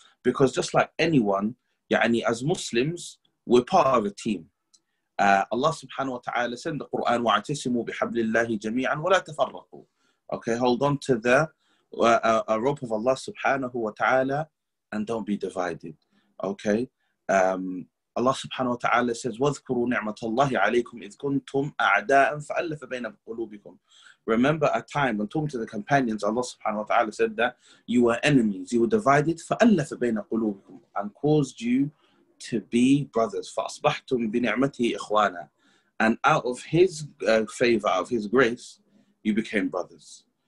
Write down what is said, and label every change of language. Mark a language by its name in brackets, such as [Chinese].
[English] Because just like anyone, yani, as Muslims, we're part of a team. Allah subhanahu wa ta'ala said in the Quran, [Arabic] وَعْتَسِمُوا بِحَبْلِ اللَّهِ جَمِيعًا وَلَا تَفَرَّقُوا. [English] Okay, hold on to the rope of Allah subhanahu wa ta'ala and don't be divided. Okay, Allah subhanahu wa ta'ala says, [Arabic] وَذْكُرُوا نِعْمَةَ اللَّهِ عَلَيْكُمْ إِذْ كُنْتُمْ أَعْدَاءً فَأَلَّفَ بَيْنَ قُلُوبِكُمْ. [English] Remember a time when talking to the companions, Allah subhanahu wa ta'ala said that you were enemies, you were divided, [Arabic] فَأَلَّفَ بَيْنَ قُلُوبِكُمْ, [English] and caused you to be brothers. [Arabic] فَأَصْبَحْتُمْ بِنِعْمَتِهِ إِخْوَانًا, [English] and out of his favor, of his grace, you became brothers.